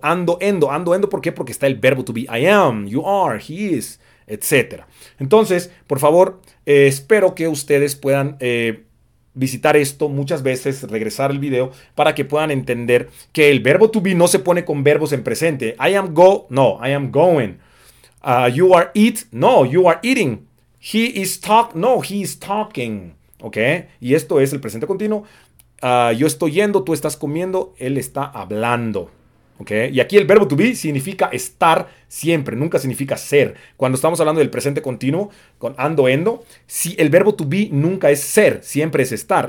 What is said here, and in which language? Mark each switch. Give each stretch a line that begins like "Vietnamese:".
Spanish: Ando-endo. Ando-endo, ¿por qué? Porque está el verbo to be.
English: I am, you are, he is,
Spanish: etc. Entonces, por favor, espero que ustedes puedan visitar esto muchas veces, regresar el video, para que puedan entender que el verbo to be no se pone con verbos en presente.
English: I am go, no, I am going. You are eat, no, you are eating. He is talk, no, he is talking. ¿Ok?
Spanish: Y esto es el presente continuo. Yo estoy yendo, tú estás comiendo, él está hablando. ¿Ok? Y aquí el verbo to be significa estar siempre, nunca significa ser. Cuando estamos hablando del presente continuo, con ando, endo, si el verbo to be nunca es ser, siempre es estar.